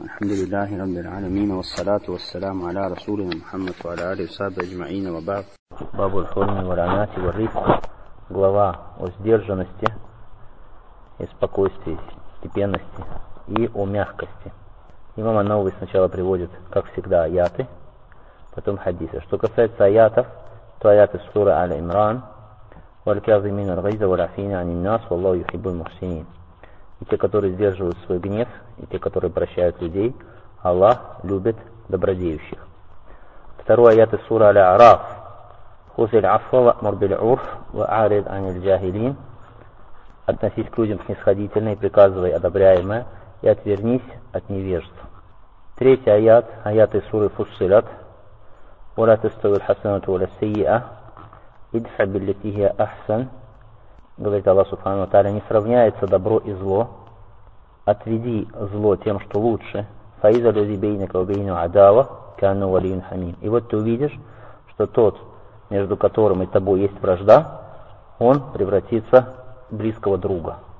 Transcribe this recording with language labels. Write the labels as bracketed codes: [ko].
[ar] الحمد لله رب العالمين والصلاة والسلام على رسولنا محمد وعلى آله وصحبه أجمعين. وباب باب الحرم والعنات والرفق. [ru] Глава о сдержанности и спокойствии, степенности и о мягкости. Имам ан-Науви сначала приводит, как всегда, аяты, потом хадисы. Что касается аятов, то аяты суры Аль-Имран. [ar] والكاظمين الغيظ والعافين عن الناس والله يحب المحسنين. [ru] И те, которые сдерживают свой гнев, и те, которые прощают людей, Аллах любит добродеющих. Второй аят из суры Аль-Араф. [ar] خذ العفو وأمر بالعرف وأعرض عن الجاهلين. [ru] Относись к людям снисходительно и приказывай одобряемое, и отвернись от невежества. Третий аят, аят из суры Фуссилят. [ar] ولا تستوي الحسنة ولا السيئة. ادفع بالتي هي أحسن. [ru] Говорит Аллах Субхану Тааля, не сравняется добро и зло. Отведи зло тем, что лучше. [ar] Фаиза люди бейника убейну адава, кану валиюн хамим. [ru] И вот ты увидишь, что тот, между которым и тобой есть вражда, он превратится в близкого друга.